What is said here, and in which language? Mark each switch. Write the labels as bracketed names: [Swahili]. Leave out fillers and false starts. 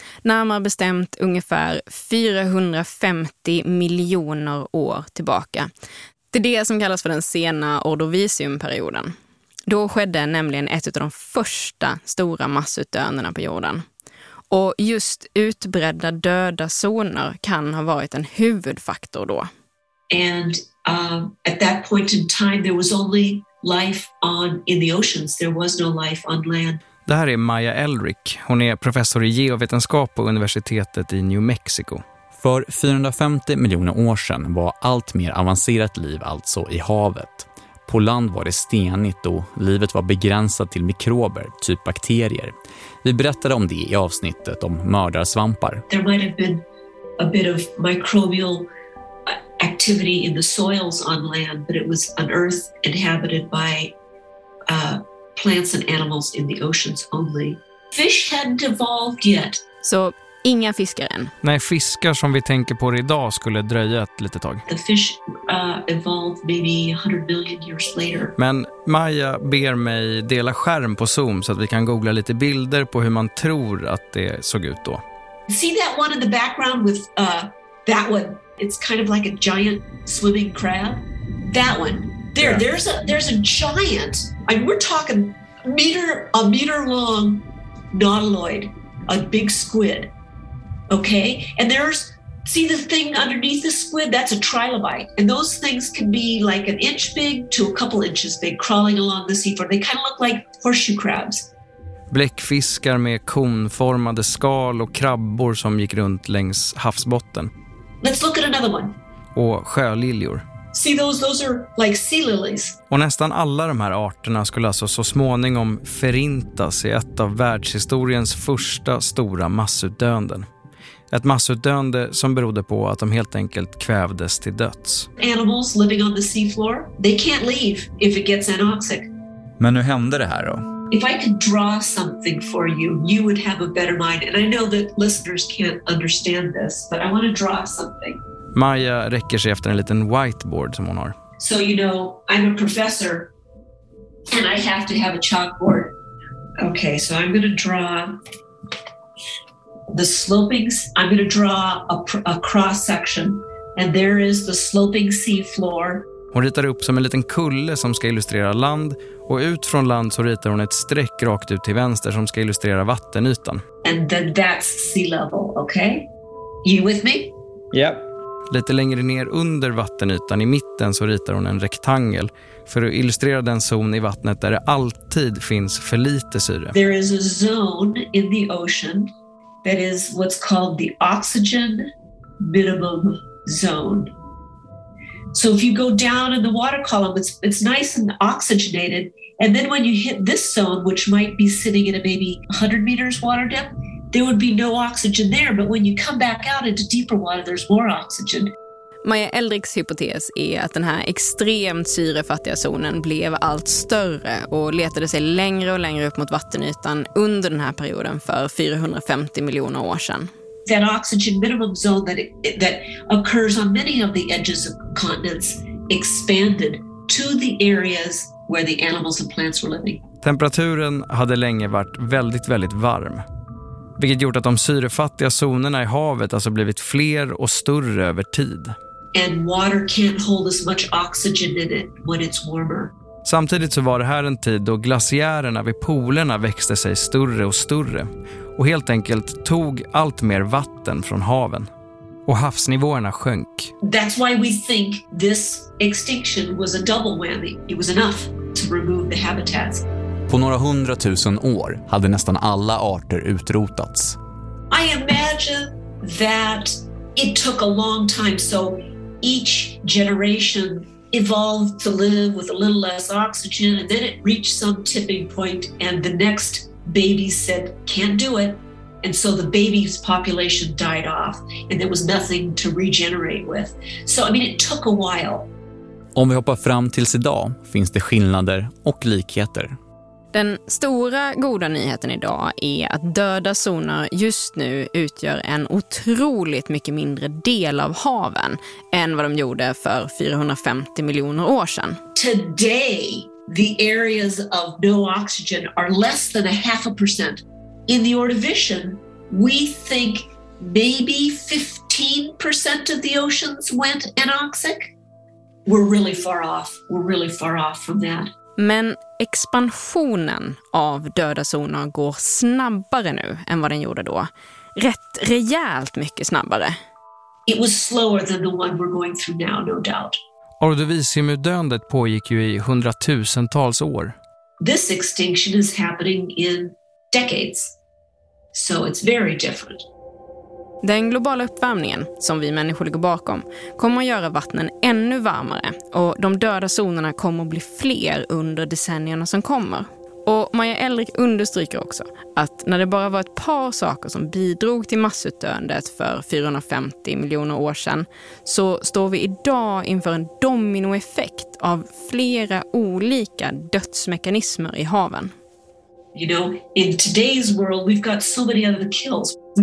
[Swedish] Närmare bestämt ungefär 450 miljoner år tillbaka. Det är det som kallas för den sena Ordovisiumperioden. Då skedde nämligen ett av de första stora massutdöendena på jorden. Och just utbredda döda zoner kan ha varit en huvudfaktor då. [English] And at that point in time there was only life on in the oceans. There was no life on land. [Swedish] Det här är Maya Elrick. Hon är professor i geovetenskap på universitetet i New Mexico. För 450 miljoner år sedan var allt mer avancerat liv alltså i havet. På land var det stenigt och livet var begränsat till mikrober, typ bakterier. Vi berättade om det i avsnittet om mördarsvampar. [English] There might have been a bit of microbial activity in the soils on land, but it was an earth inhabited by plants and animals in the oceans only. Fish hadn't evolved yet. [Swedish] Så inga fiskar än. Nej, fiskar som vi tänker på idag skulle dröja ett litet tag. [English] The fish evolved maybe 100 million years later. [Swedish] Men Maja ber mig dela skärm på Zoom så att vi kan googla lite bilder på hur man tror att det såg ut då. [English] See that one in the background with that one? It's kind of like a giant swimming crab. That one. There, yeah. there's a giant. I mean, we're talking a meter long nautiloid, a big squid. Okay? And there's, see the thing underneath the squid? That's a trilobite. And those things can be like an inch big to a couple inches big, crawling along the seafloor. They kind of look like horseshoe crabs. [Swedish] Bläckfiskar med konformade skal och krabbor som gick runt längs havsbotten. [English] Let's look at another one. [Swedish] Och sjöliljor. [English] See those? Those are like sea lilies. [Swedish] Och nästan alla de här arterna skulle alltså så småningom förintas i ett av världshistoriens första stora massutdöenden. Ett massutdöende som berodde på att de helt enkelt kvävdes till döds. [English] Animals living on the seafloor, they can't leave if it gets anoxic. [Swedish] Men hur hände det här då? [English] If I could draw something for you, you would have a better mind. And I know that listeners can't understand this, but I want to draw something. [Swedish] Maja räcker sig efter en liten whiteboard som hon har. [English] So you know, I'm a professor and I have to have a chalkboard. Okay, so I'm going to draw the slopings. I'm going to draw a cross section and there is the sloping sea floor. [Swedish] Hon ritar upp som en liten kulle som ska illustrera land och ut från land så ritar hon ett streck rakt ut till vänster som ska illustrera vattenytan. [English] And then that's sea level, okay? You with me? Yep. [Swedish] Lite längre ner under vattenytan i mitten så ritar hon en rektangel för att illustrera den zon i vattnet där det alltid finns för lite syre. [English] There is a zone in the ocean that is what's called the oxygen minimum zone. So if you go down in the water column, it's nice and oxygenated, and then when you hit this zone, which might be sitting at a maybe 100 meters water depth, there would be no oxygen there, but when you come back out into deeper water, there's more oxygen. [Swedish] Maja Eldricks hypotes är att den här extremt syrefattiga zonen blev allt större och letade sig längre och längre upp mot vattenytan under den här perioden för 450 miljoner år sedan. [English] That oxygen minimum zone that that occurs on many of the edges of continents expanded to the areas where the animals and plants were living. [Swedish] Temperaturen hade länge varit väldigt, väldigt varm. Vilket gjort att de syrefattiga zonerna i havet alltså blivit fler och större över tid. [English] And water can't hold as much oxygen in it when it's warmer. [Swedish] Samtidigt så var det här en tid då glaciärerna vid polerna växte sig större och större. Och helt enkelt tog allt mer vatten från haven. Och havsnivåerna sjönk. [English] That's why we think this extinction was a double whammy. It was enough to remove the habitats. [Swedish] På några hundratusen år hade nästan alla arter utrotats. [English] I imagine that it took a long time. So each generation evolved to live with a little less oxygen. And then it reached some tipping point and the next baby said, can't do it. And so the baby's population died off and there was nothing to regenerate with. So I mean, it took a while. [Swedish] Om vi hoppar fram tills idag finns det skillnader och likheter. Den stora goda nyheten idag är att döda zoner just nu utgör en otroligt mycket mindre del av haven än vad de gjorde för 450 miljoner år sedan. [English] Today, the areas of no oxygen are less than a half a percent. In the Ordovician, we think maybe 15% of the oceans went anoxic. We're really far off. We're really far off from that. [Swedish] Men expansionen av döda zoner går snabbare nu än vad den gjorde då. Rätt rejält mycket snabbare. [English] It was slower than the one we're going through now, no doubt. [Swedish] Ordovisium-döendet pågick ju i hundratusentals år. [English] This extinction is happening in decades. So it's very different. [Swedish] Den globala uppvärmningen, som vi människor ligger bakom, kommer att göra vattnen ännu varmare och de döda zonerna kommer att bli fler under decennierna som kommer. Och Maja Elrik understryker också att när det bara var ett par saker som bidrog till massutdöendet för 450 miljoner år sedan, så står vi idag inför en dominoeffekt av flera olika dödsmekanismer i haven. [English] You know, in today's world we've got so many other kills.